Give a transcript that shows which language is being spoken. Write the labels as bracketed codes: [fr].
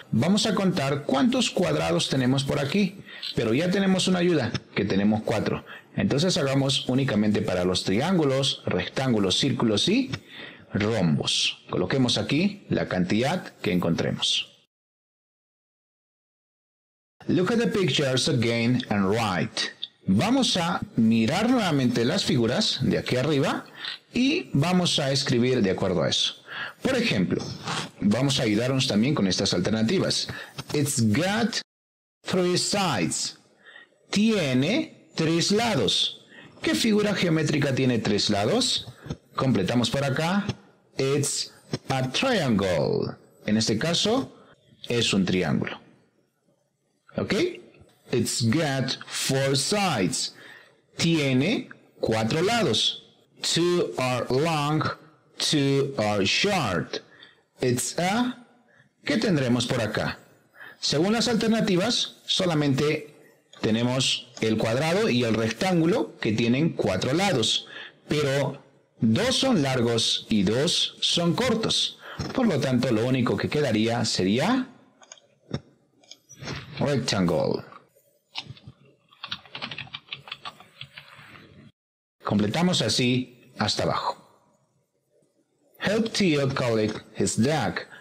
[es] Vamos a contar cuántos cuadrados tenemos por aquí, pero ya tenemos una ayuda, que tenemos cuatro. Entonces hagamos únicamente para los triángulos, rectángulos, círculos y rombos. Coloquemos aquí la cantidad que encontremos. [en] Look at the pictures again and write. [es] Vamos a mirar nuevamente las figuras de aquí arriba y vamos a escribir de acuerdo a eso. Por ejemplo, vamos a ayudarnos también con estas alternativas. [en] It's got three sides. [es] Tiene tres lados. ¿Qué figura geométrica tiene tres lados? Completamos por acá. [en] It's a triangle. [es] En este caso, es un triángulo. [en] ¿Ok? It's got four sides. [es] Tiene cuatro lados. [en] Two are long, two are short. It's a... [es] ¿Qué tendremos por acá? Según las alternativas, solamente tenemos el cuadrado y el rectángulo que tienen cuatro lados. Pero dos son largos y dos son cortos. Por lo tanto, lo único que quedaría sería... [en] rectangle. [es] Completamos así hasta abajo. [en] Help Theo collect his deck.